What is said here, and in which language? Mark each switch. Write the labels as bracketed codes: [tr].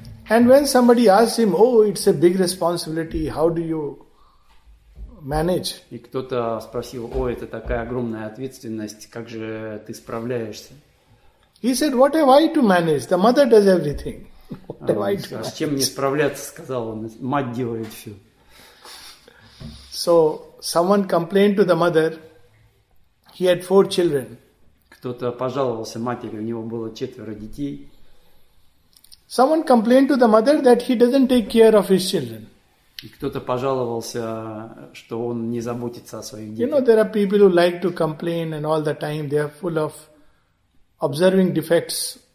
[en] And when somebody asked him, "Oh, it's a big responsibility. How do you manage?" [ru] И кто-то спросил: "О, это такая огромная ответственность. Как же ты справляешься?" [en] He said, "What have I to manage? The mother does everything." [ru] А с чем мне справляться, сказал он. Мать делает все. [en] So, someone complained to the mother. He had four children. [ru] Кто-то пожаловался матери, у него было четверо детей. [en] Someone complained to the mother that he doesn't take care of his children. [ru] И кто-то пожаловался, что он не заботится о своих детях. [en] You know, there are people who like to complain and all the time they are full of observing defects.